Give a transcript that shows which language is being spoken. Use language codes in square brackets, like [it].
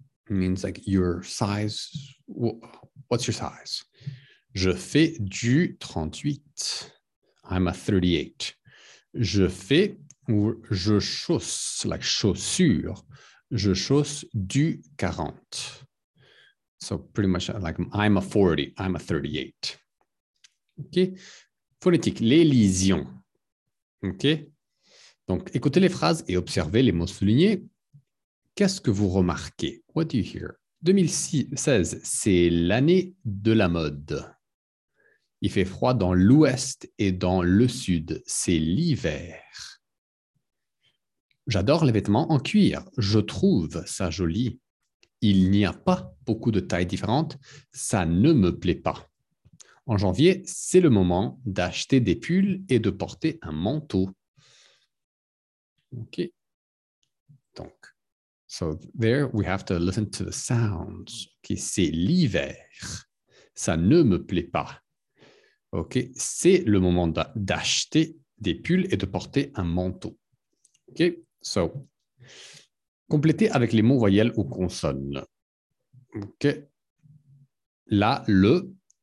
[en] Means like your size. What's your size? [fr] Je fais du 38. [en] I'm a 38. [fr] Je fais... Ou je chausse la [en] like [fr] chaussure, je chausse du 40. [en] So pretty much like I'm a 40, I'm a 38. [fr] OK. Phonétique, l'élision. OK. Donc écoutez les phrases et observez les mots soulignés. Qu'est-ce que vous remarquez? [en] What do you hear? [fr] 2016, c'est l'année de la mode. Il fait froid dans l'ouest et dans le sud. C'est l'hiver. J'adore les vêtements en cuir. Je trouve ça joli. Il n'y a pas beaucoup de tailles différentes. Ça ne me plaît pas. En janvier, c'est le moment d'acheter des pulls et de porter un manteau. OK. Donc, [en] so there we have to listen to the sounds. [fr] OK, c'est l'hiver. Ça ne me plaît pas. OK, c'est le moment d'acheter des pulls et de porter un manteau. OK. [en] So, [fr] complétez avec les mots voyelles ou consonnes. OK. Là, le,